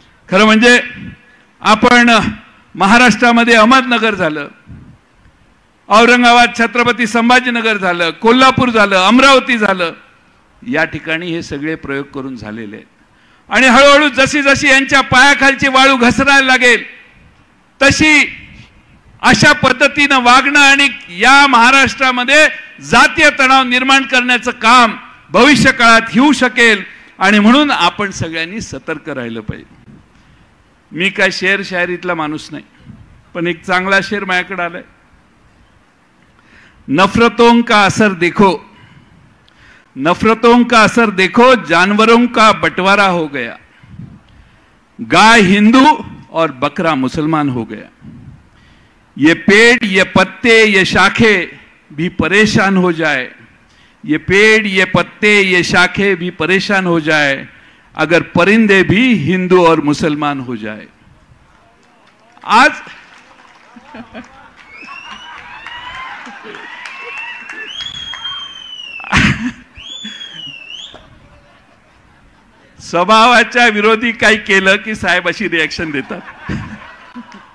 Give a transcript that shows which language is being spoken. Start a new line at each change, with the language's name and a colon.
Marathi: खरं म्हणजे आपण महाराष्ट्रामध्ये अहमदनगर झालं, औरंगाबाद छत्रपती संभाजीनगर झालं, कोल्हापूर झालं, अमरावती झालं, या ठिकाणी हे सगळे प्रयोग करून झालेले आहेत, आणि हळूहळू जशी जशी यांच्या पायाखालची वाळू घसरायला लागेल तशी अशा पद्धतीनं वागणं आणि या महाराष्ट्रामध्ये जातीय तणाव निर्माण करण्याचं काम भविष्य काळात होऊ शकेल, आणि म्हणून आपण सगळ्यांनी सतर्क राहिलं पाहिजे। मी काय शेर शायरीतला माणूस नाही, पण एक चांगला शेर माझ्याकडे आलाय,
Hindi: नफरतों का असर देखो, नफरतों का असर देखो, जानवरों का बंटवारा हो गया, गाय हिंदू और बकरा मुसलमान हो गया, ये पेड़ ये पत्ते ये शाखे भी परेशान हो जाए, ये पेड़ ये पत्ते ये शाखे भी परेशान हो जाए, अगर परिंदे भी हिंदू और मुसलमान हो जाए।
Marathi: आज स्वभावाच्या विरोधी काही केलं की साहेब अशी रिएक्शन देतात।